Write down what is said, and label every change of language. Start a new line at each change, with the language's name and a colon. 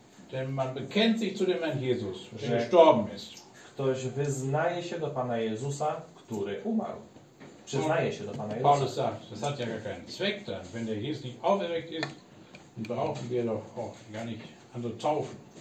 German: Denn man bekennt sich zu dem Herrn Jesus, der gestorben ist.
Polish: Ktoś wyznaje się do Pana Jezusa, który umarł. Przyznaje się do Pana Jezusa.
German: Paulus sagt, das hat ja gar keinen Zweck dann, wenn der Jesus nicht auferweckt ist, brauchen wir doch auch gar nicht an der Taufe.